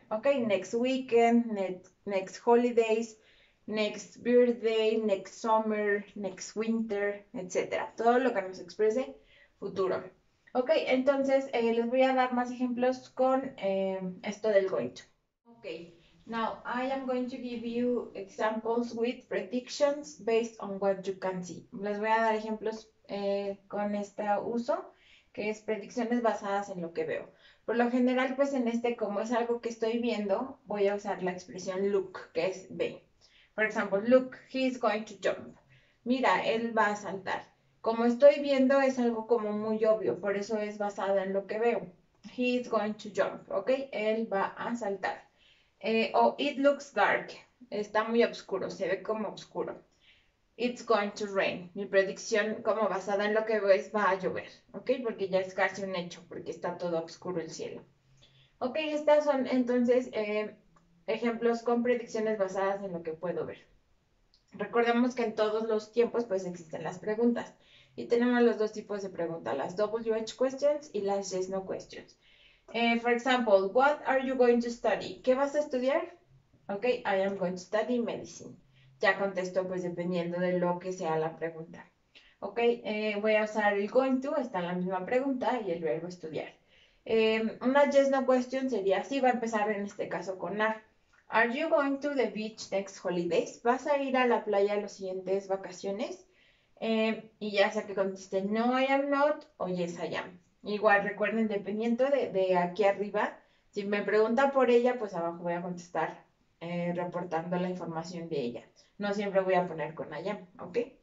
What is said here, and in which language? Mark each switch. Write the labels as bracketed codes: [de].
[en] Ok, next weekend, next holidays, next birthday, next summer, next winter, etc. [es] Todo lo que nos exprese futuro. Ok, entonces les voy a dar más ejemplos con esto del going to. [en] Ok, now I am going to give you examples with predictions based on what you can see. [es] Les voy a dar ejemplos. Con este uso, que es predicciones basadas en lo que veo. Por lo general, pues en este, como es algo que estoy viendo, voy a usar la expresión look, que es ve. Por ejemplo, look, [en] he is going to jump. [es] Mira, él va a saltar. Como estoy viendo, es algo como muy obvio, por eso es basado en lo que veo. [en] He is going to jump, [es] ¿ok? Él va a saltar. O [en] it looks dark, [es] está muy oscuro, se ve como oscuro. [en] It's going to rain. [es] Mi predicción, como basada en lo que veo, es va a llover, ¿ok? Porque ya es casi un hecho, porque está todo oscuro el cielo. Ok, estas son entonces ejemplos con predicciones basadas en lo que puedo ver. Recordemos que en todos los tiempos, pues existen las preguntas. Y tenemos los dos tipos de preguntas, las WH questions y las Yes No questions. [en] For example, what are you going to study? [es] ¿Qué vas a estudiar? [en] Ok, I am going to study medicine. [es] Ya contesto pues dependiendo de lo que sea la pregunta. Ok, voy a usar el going to, está en la misma pregunta, y el verbo estudiar. Una yes no question sería, sí, va a empezar en este caso con are. [en] Are you going to the beach next holidays? [es] ¿Vas a ir a la playa las siguientes vacaciones? Y ya sea que conteste no, [en] I am not, [es] o [en] yes, I am. [es] Igual recuerden, dependiendo de aquí arriba, si me pregunta por ella, pues abajo voy a contestar. Reportando la información de ella. No siempre voy a poner con allá, ¿ok?